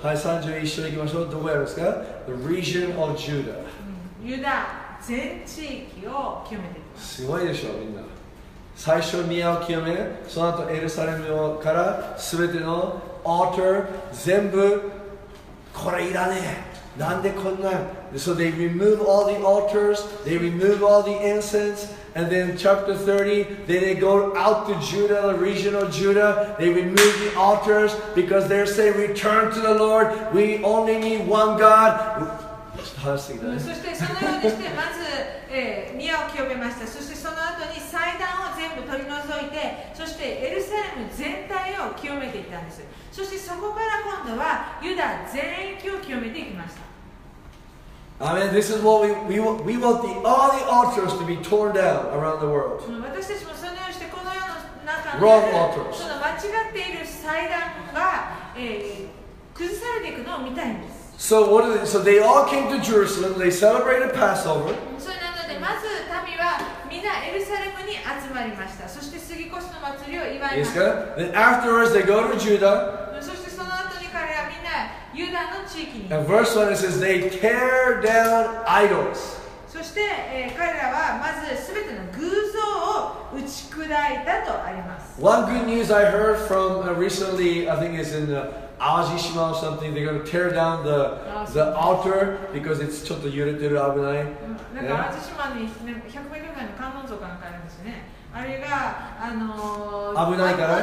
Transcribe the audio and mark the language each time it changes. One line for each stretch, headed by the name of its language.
Japanese: はい、31章行きましょう。どこやるんですか？
English: The region of Judah.
Japanese: ユダ。全地域を清めていく。すごいでしょ、みんな。最初宮を清め、その後エルサレムから全てのアルタ全部、これいらねえ、なんでこんな。
English: So they remove all the altars, they remove all the incense, and then chapter 30, then they go out to Judah, the region of Judah, they remove the altars because they say return to the Lord, we only need one God.
Japanese: そしてそのようにしてまず、宮を清めました。そしてその後に祭壇を全部取り除いて、そしてエルサレム全体を清めていったんです。そしてそこから今度はユダ全域を清めていきました。
English: I mean, this is what we want the, all the altars to be torn down around the world.
Japanese: 私たちもそのようにしてこの世の中にある、その間違っている祭壇が、崩されていくのを見たいんです。
English: So what did they, so they all came to Jerusalem. They celebrated Passover.
Japanese: そうなので、まず民はみんなエルサレムに集まりました。そして杉越の祭りを祝いました。
English: Iska. Then afterwards they go to Judah.
Japanese: そしてその後に彼はみんなユダの地域に。
English: And verse 1 it says they tear down idols.
Japanese: そして、彼らはまずすべての偶像を打ち砕いたとあります。
English: One good news I heard from recently, I think it's in the Aoshima or something, they're going to tear down the altar because it's
Japanese: ちょっと揺れてる危ない。なんか Aoshimaに100メートルぐらいの観音像かなんかあるんですよね。あれが危ないから。